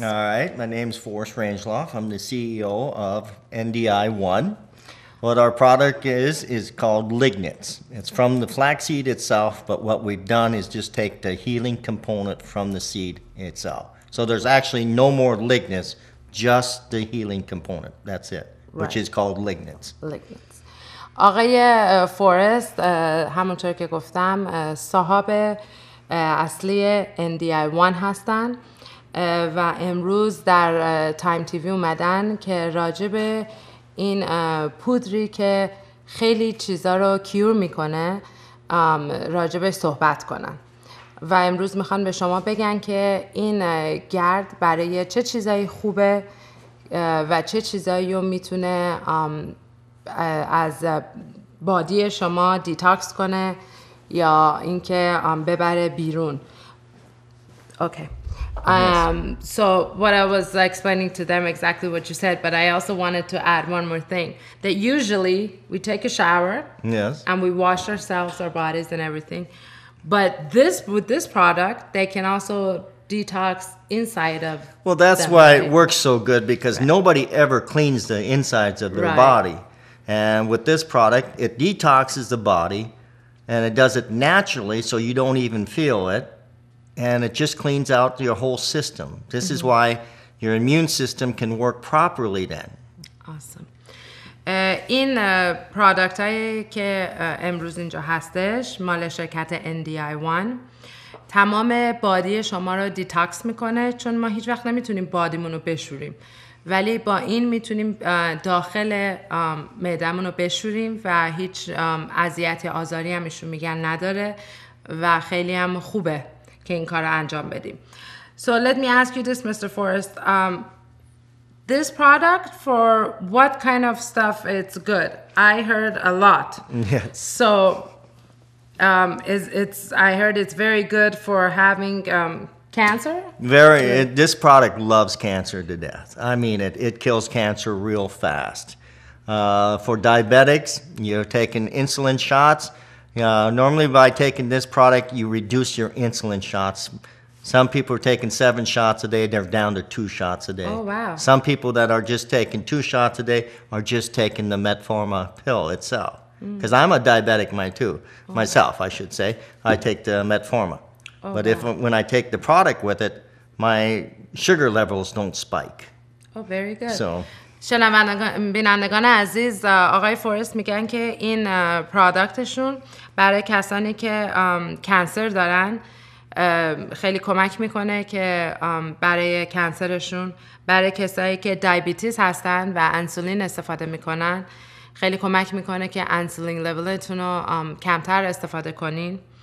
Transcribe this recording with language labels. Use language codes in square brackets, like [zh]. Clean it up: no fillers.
[en] All right. My name is Forrest Rangeloff. I'm the CEO of NDI One. What our product is called lignans. It's from the flaxseed itself, but what we've done is just take the healing component from the seed itself. So there's actually no more lignans, just the healing component. That's it, right. Which is called lignans. Lignans. [fa] آقای فورست همونطور که گفتم صاحب اصلی NDI One هستن و امروز در تایم تیوی اومدن که راجع به این پودری که خیلی چیزا رو کیور میکنه راجع به صحبت کنن و امروز میخوان به شما بگن که این گرد برای چه چیزایی خوبه و چه چیزایی میتونه از بادی شما دیتاکس کنه یا اینکه ببره بیرون. [en] Okay. So what I was explaining to them exactly what you said, but I also wanted to add one more thing that usually we take a shower, yes, and we wash ourselves, our bodies and everything. But this with this product, they can also detox inside of. Well, that's why it works so good because nobody ever cleans the insides of their body. And with this product, it detoxes the body, and it does it naturally so you don't even feel it, and it just cleans out your whole system. This is why your immune system can work properly then. Awesome. [fa] این پرادکت‌هایی که امروز اینجا هستش، مال شرکت NDI One، تمام بادی شما رو دیتاکس میکنه چون ما هیچ وقت نمیتونیم بادیمون رو بشوریم. ولی با این میتونیم داخل معده‌مون رو بشوریم و هیچ اذیت یا آزاری هم ایشون میگن نداره و خیلی هم خوبه که این کار رو انجام بدیم. [en] So let me ask you this, Mr. Forrest. This product, for what kind of stuff it's good? I heard a lot. Yes. So I heard it's very good for having cancer? This product loves cancer to death. I mean it kills cancer real fast. For diabetics, you're taking insulin shots. Normally by taking this product, you reduce your insulin shots. Some people are taking 7 shots a day, they're down to 2 shots a day. Oh, wow. Some people that are just taking 2 shots a day are just taking the metformin pill itself. Because I'm a diabetic myself, I should say. I take the metformin. When I take the product with it, my sugar levels don't spike. Oh, very good. So, [fa] شنوندگان عزیز، آقای فورست میگن که این پروداکتشون برای کسانی که کانسر دارن خیلی کمک میکنه که برای کانسرشون، برای کسایی که دیابتیس هستن و انسولین استفاده میکنن خیلی کمک میکنه که انسولین لولتون رو کمتر استفاده کنین.